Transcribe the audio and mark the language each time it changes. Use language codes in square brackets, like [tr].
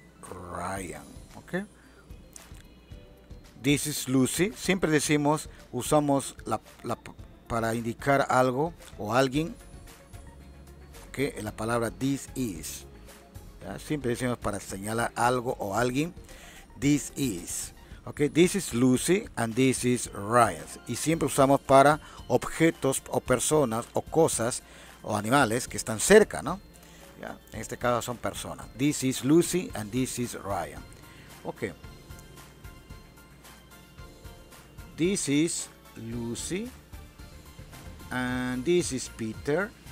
[en] Ryan. Okay. This is Lucy. [es] Siempre decimos, usamos la para indicar algo o alguien. Okay. La palabra [en] this is. [es] ¿Ya? Siempre decimos para señalar algo o alguien. [en] This is. Okay. This is Lucy and this is Ryan. [es] Y siempre usamos para objetos o personas o cosas o animales que están cerca, ¿no? ¿Ya? En este caso son personas. [en] This is Lucy and this is Ryan. Okay. This is Lucy and this is Peter.